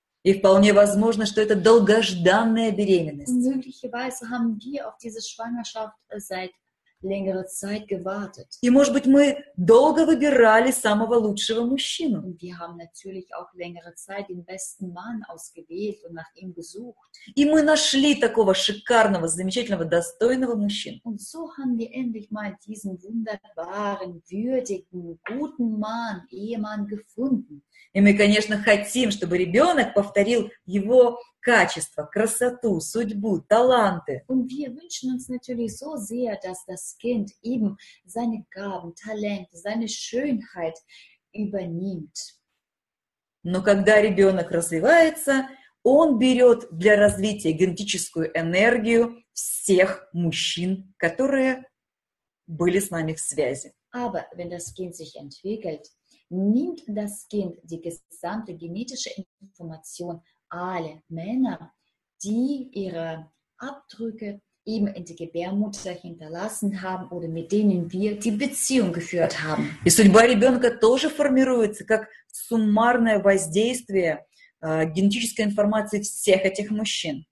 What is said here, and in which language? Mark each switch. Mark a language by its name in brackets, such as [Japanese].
[Russian] И вполне возможно, что это долгожданная беременность. [German] Und möglicherweise haben wir auf diese Schwangerschaft seit längerer Zeit gewartet. [Russian] И может быть, мы долго выбирали самого лучшего мужчину. [German] Und wir haben natürlich auch längere Zeit den besten Mann ausgewählt und nach ihm gesucht. [Russian] И мы нашли такого шикарного, замечательного, достойного мужчину. [German] Und so haben wir endlich mal diesen wunderbaren, würdigen, guten Mann, Ehemann gefunden. [Russian] И мы, конечно, хотим, чтобы ребенок повторил его качества, красоту, судьбу, таланты. [German] Und wir wünschen uns natürlich so sehr, dass das Kind eben seine Gaben, Talente, seine Schönheit übernimmt. [Russian] Но когда ребенок развивается, он берет для развития генетическую энергию всех мужчин, которые были с нами в связи. [German] Aber wenn das Kind sich entwickelt, nimmt das Kind die gesamte genetische Information alle Männer, die ihre Abdrücke eben in die Gebärmutter hinterlassen haben oder mit denen wir die Beziehung geführt haben. [Russian] И судьба ребенка тоже формируется как суммарное воздействие генетической информации всех этих мужчин.